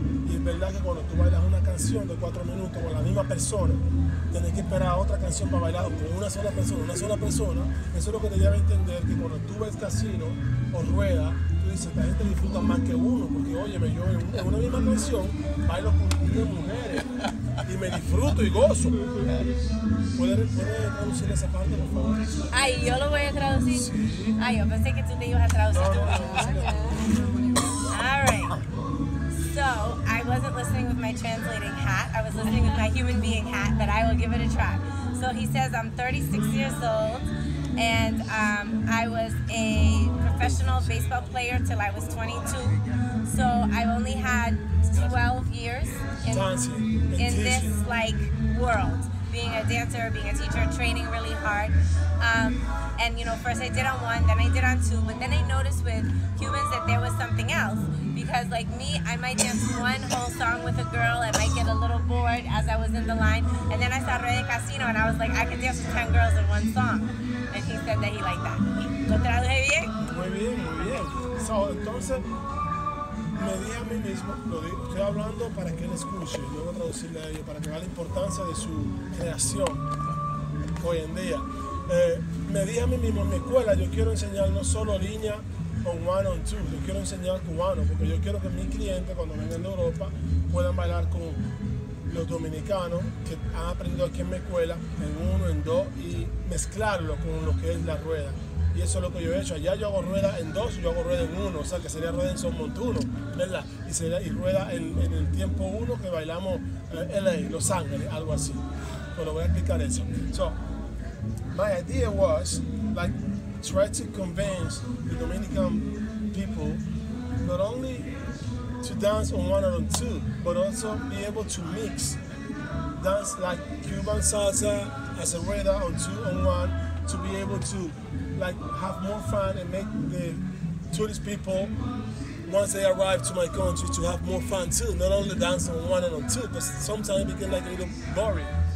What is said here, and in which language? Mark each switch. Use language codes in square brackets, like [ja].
[es] Y es verdad que cuando tú bailas una canción de 4 minutos con la misma persona, tienes que esperar a otra canción para bailar con una sola persona, eso es lo que te lleva a entender que cuando tú ves casino o rueda, tú dices, esta gente disfruta más que uno, porque óyeme, yo en una misma canción bailo con 10 mujeres y me disfruto y gozo. ¿Puedes traducir esa parte, por favor? Ay, yo lo voy a traducir. Sí. Ay, yo pensé que tú te ibas a traducir. No. [en] All right. So, I wasn't listening with my translating hat, I was listening with my human being hat, but I will give it a try. So he says, I'm 36 years old, and I was a professional baseball player till I was 22. So I only had 12 years in this like world, being a dancer, being a teacher, training really hard. And you know, first I did on one, then I did on two, but then I noticed with humans that there was something else. Because like me, I might dance one whole song with a girl, I might get a little bored as I was in the line, and then I saw Rey de Casino and I was like, I could dance with 10 girls in one song. And he said that he liked that. [es] ¿Lo traduje bien? Muy bien, muy bien. So, entonces, me dije a mí mismo, lo digo, estoy hablando para que él escuche, luego traducirle a ellos, para que vea la importancia de su creación hoy en día. Me dije a mí mismo, en mi escuela yo quiero enseñar no solo línea on one on two, yo quiero enseñar cubano, porque yo quiero que mis clientes cuando vengan de Europa puedan bailar con los dominicanos que han aprendido aquí en mi escuela en uno, en dos, y mezclarlo con lo que es la rueda. Y eso es lo que yo he hecho. Allá yo hago rueda en dos, yo hago rueda en uno, o sea que sería rueda en son montuno, ¿verdad? Y sería, y rueda en el tiempo uno que bailamos LA, Los Ángeles, algo así. Pero voy a explicar eso. [en] So, my idea was like try to convince the Dominican people not only to dance on one or on two, but also be able to mix dance like Cuban salsa as a rueda on two on one, to be able to like have more fun and make the tourist people, once they arrive to my country, to have more fun too, not only dance on one and on two, but sometimes it becomes like a little boring.